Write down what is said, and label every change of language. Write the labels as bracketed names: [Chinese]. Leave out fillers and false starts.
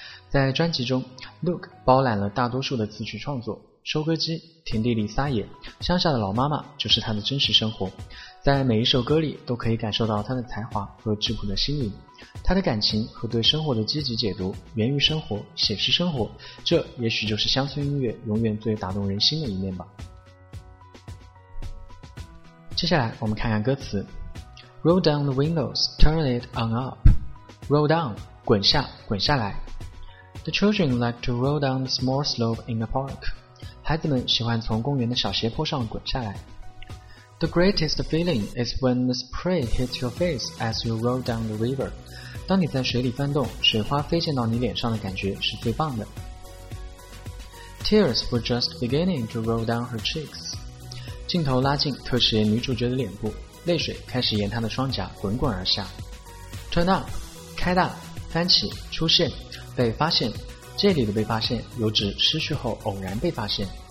[Chinese] 在专辑中， Luke 包揽了大多数的词曲创作，收割机、田地里撒野、乡下的老妈妈就是他的真实生活，在每一首歌里都可以感受到他的才华和质朴的心灵。他的感情和对生活的积极解读源于生活，写实生活，这也许就是乡村音乐永远最打动人心的一面吧。接下来我们看看歌词。 [English] Roll down the windows, turn it on up. Roll down, [Chinese] 滚下，滚下来。 [English] The children like to roll down the small slope in the park. [Chinese] 孩子们喜欢从公园的小斜坡上滚下来。 [English] The greatest feeling is when the spray hits your face as you roll down the river. [Chinese] 当你在水里翻动，水花飞溅到你脸上的感觉是最棒的。 [English] Tears were just beginning to roll down her cheeks. [Chinese] 镜头拉近，特写女主角的脸部，泪水开始沿她的双颊滚滚而下。 Turn up, 开大，翻起，出现，被发现，这里的被发现有指失去后偶然被发现。